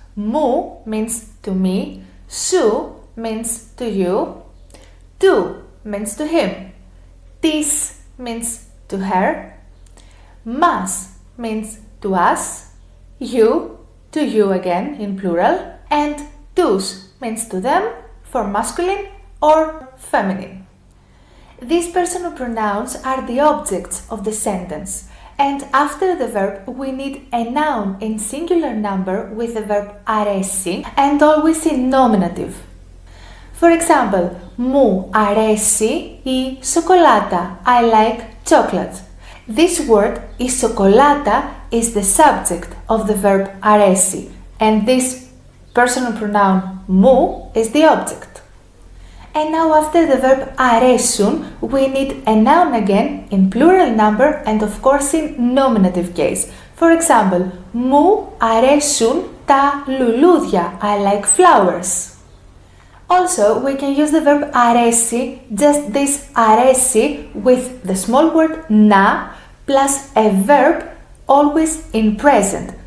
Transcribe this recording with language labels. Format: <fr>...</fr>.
<en>Μου means to me, σου means to you, του means to him, της means to her, μας means to us, you, to you again in plural, and τους means to them for masculine or feminine. These personal pronouns are the objects of the sentence. And after the verb, we need a noun in singular number with the verb αρέσει and always in nominative. For example,</en> <el>μου αρέσει η σοκολάτα.</el> <en>I like chocolate. This word,</en> <el>η σοκολάτα,</el> <en>is the subject of the verb αρέσει. And this personal pronoun μου is the object. And now after the verb αρέσουν, we need a noun again in plural number and of course in nominative case. For example,</en> <el>μου αρέσουν τα λουλούδια.</el> <en>I like flowers. Also, we can use the verb αρέσει, just this αρέσει with the small word να plus a verb always in present.</en>